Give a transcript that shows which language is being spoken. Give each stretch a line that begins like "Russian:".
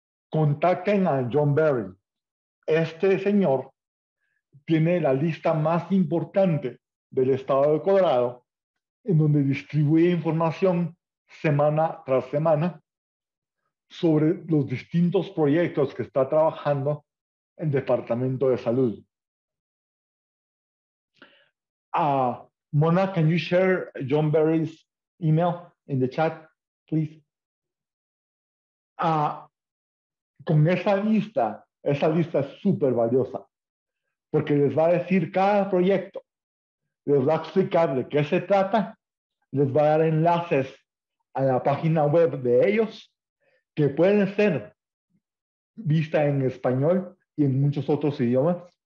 Spanish: Contacten a John Berry. Este señor tiene la lista más importante del estado de Colorado, en donde distribuye información semana tras semana sobre los distintos proyectos que está trabajando el Departamento de Salud.
English: Mona, can you share John Berry's email in the chat, please?
Spanish: Con esa lista es súper valiosa, porque les va a decir cada proyecto, les va a explicar de qué se trata, les va a dar enlaces a la página web de ellos, que puede ser vista en español y en muchos otros idiomas.